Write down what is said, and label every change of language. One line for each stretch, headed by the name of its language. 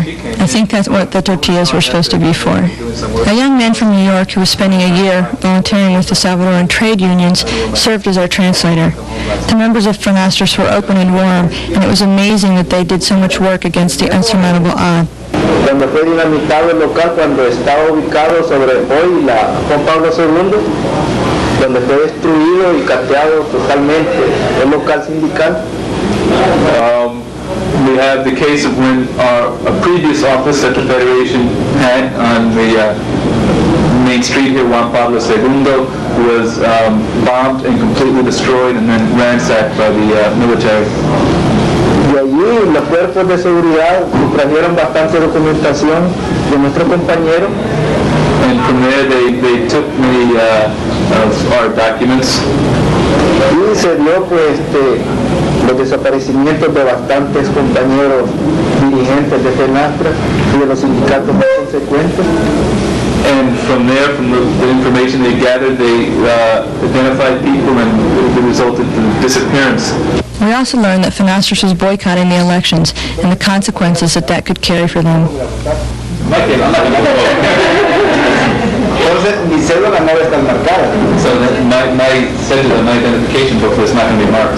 English: I think that's what the tortillas were supposed to be for. A young man from New York who was spending a year volunteering with the Salvadoran trade unions served as our translator. The members of FENASTRES were open and warm, and it was amazing that they did so much work against the insurmountable odds.
Spanish: Cuando fue dinamitado el local, cuando estaba ubicado sobre hoy la Juan Pablo II, donde fue destruido y cateado totalmente el local sindical.
English: We have the case of when a previous office at the Federation had on the main street here, Juan Pablo II, was bombed and completely destroyed and then ransacked by the military.
Spanish: Y allí los cuerpos de seguridad trajeron bastante documentación de nuestro compañero.
English: And from there they took many of our documents.
Spanish: Y se dio pues los desaparecimientos de bastantes compañeros dirigentes de FENASTRA y de los sindicatos más consecuentes.
English: And from there, from the information they gathered, they identified people and it resulted in disappearance. We also learned that FENASTRA was boycotting the elections and the consequences that that could carry for them. So that my cédula, my identification book was not going to be marked.